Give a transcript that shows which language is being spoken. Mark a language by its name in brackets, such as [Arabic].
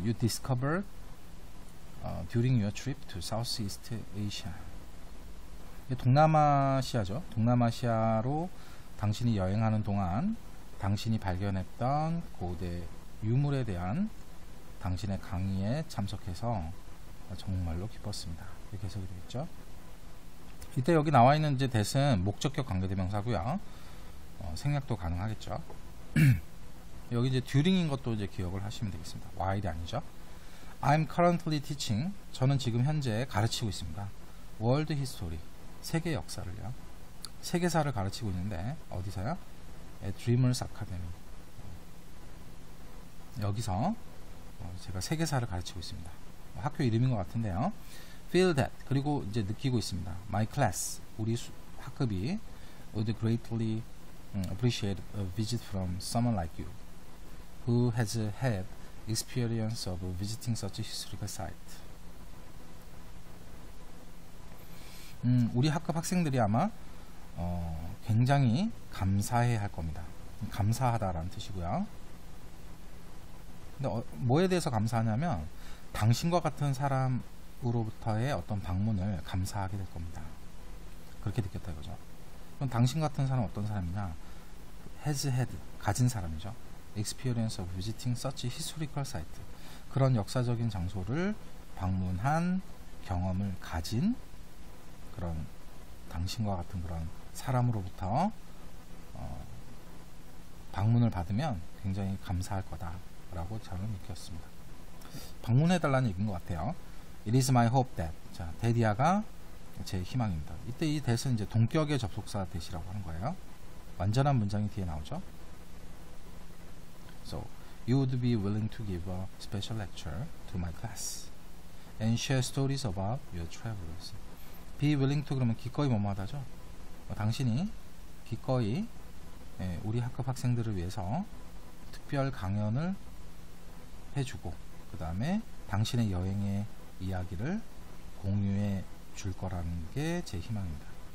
[English] You discovered during your trip to Southeast Asia. [Korean] 동남아시아죠. 동남아시아로 당신이 여행하는 동안 당신이 발견했던 고대 유물에 대한 당신의 강의에 참석해서 정말로 기뻤습니다. 이렇게 해석이 되겠죠? 이때 여기 나와 있는 이제 that은 목적격 관계대명사고요. 생략도 가능하겠죠? 여기 이제 during인 것도 이제 기억을 하시면 되겠습니다. while이 아니죠? [English] I'm currently teaching. [Korean] 저는 지금 현재 가르치고 있습니다. [English] World history. [Korean] 세계 역사를요. 세계사를 가르치고 있는데 어디서요? [English] At Dreamers Academy. [Korean] 여기서 제가 세계사를 가르치고 있습니다. 학교 이름인 것 같은데요. [English] Feel that. [Korean] 그리고 이제 느끼고 있습니다. [English] My class. [Korean] 우리 학급이 [English] would greatly appreciate a visit from someone like you who has had experience of visiting such a historical site. [Korean] 우리 학급 학생들이 아마 굉장히 감사해 할 겁니다. 감사하다라는 뜻이고요. 근데 뭐에 대해서 감사하냐면 당신과 같은 사람으로부터의 어떤 방문을 감사하게 될 겁니다. 그렇게 느꼈다 이거죠. 그럼 당신 같은 사람은 어떤 사람이냐? [English] has had [Korean] 가진 사람이죠. [English] experience of visiting such historical site. [Korean] 그런 역사적인 장소를 방문한 경험을 가진 그런 당신과 같은 그런 사람으로부터 방문을 받으면 굉장히 감사할 거다. 라고 저는 느꼈습니다. 방문해 달라는 얘기인 것 같아요. [English] It is my hope that. [Korean] 자, 데디아가 제 희망입니다. 이때 이 that은 이제 동격의 접속사 that이라고 하는 거예요. 완전한 문장이 뒤에 나오죠. [English] So, you would be willing to give a special lecture to my class and share stories about your travels. Be willing to [Korean] 그러면 기꺼이 뭐뭐하다죠. 당신이 기꺼이 우리 학급 학생들을 위해서 특별 강연을 해주고, 그 다음에 당신의 여행의 이야기를 공유해 줄 거라는 게제 희망입니다.